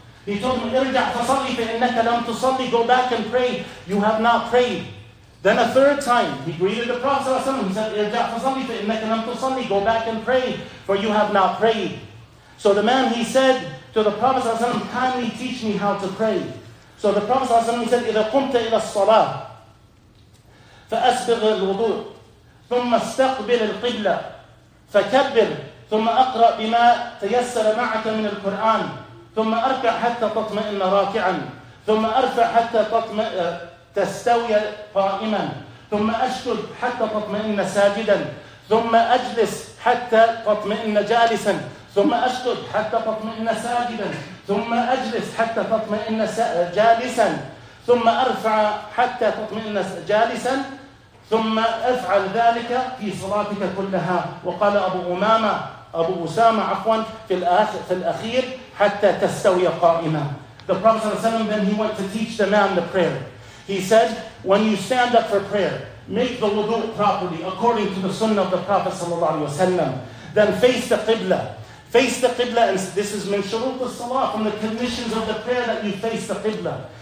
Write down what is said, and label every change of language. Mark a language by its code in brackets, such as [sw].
[en] He told him, [ar] irja tusalli fa innaka lam tusalli. [en] Go back and pray, you have not prayed. Then a third time, he greeted the Prophet sallallahu alayhi wa sallam. He said, [ar] irja tusalli fa innaka lam tusalli. [en] Go back and pray, for you have not prayed. So the man, he said to the Prophet sallallahu alayhi wa sallam, kindly teach me how to pray. So the Prophet sallallahu alayhi wa sallam, he said, idha qumta ila salah, [ar] فأسبغ الوضوء ثم استقبل القبلة فكبر ثم أقرأ بما تيسر معك من القرآن ثم أركع حتى تطمئن راكعا ثم أرفع حتى تستوي قائما ثم أسجد حتى تطمئن ساجدا ثم أجلس حتى تطمئن جالسا ثم أسجد حتى تطمئن ساجدا ثم أجلس حتى تطمئن جالسا ثم أرفع حتى تطمئن جالسا ثم أفعل ذلك في صلاتك كلها. وقال أبو أسامة في الأخير حتى تستوي قائما. [en] The Prophet ﷺ, then he went to teach the man the prayer. He said, when you stand up for prayer, make the wudu properly according to the sunnah of the Prophet ﷺ. Then face the qibla. Face the qibla, and this is [ar] min shurut al-salah, [en] from the conditions of the prayer that you face the qibla.